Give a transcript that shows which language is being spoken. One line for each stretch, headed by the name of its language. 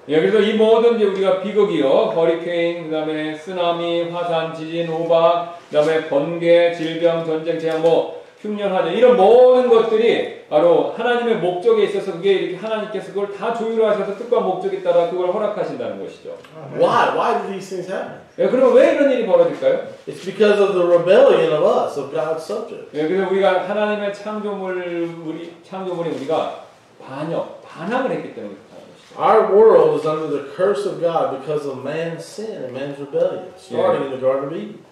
Korean: 예, 그래서 이 모든 게 우리가 비극이요, 허리케인, 그다음에 쓰나미, 화산, 지진, 호박, 그다음에 번개, 질병, 전쟁, 재앙, 뭐 흉년, 화재 이런 모든 것들이 바로 하나님의 목적에 있어서 그게 이렇게 하나님께서 그걸 다 조율하셔서 뜻과 목적에 따라 그걸 허락하신다는 것이죠.
English: Why? Why do these things happen?
Korean: 예, 그러면 왜 이런 일이 벌어질까요?
English: It's because of the rebellion of us, of God's subjects.
Korean: 예, 그래서 우리가 하나님의 창조물이 우리가 반역, 반항을 했기 때문에
English: Our world is under the curse of God because of man's sin and man's rebellion, starting in the Garden of Eden.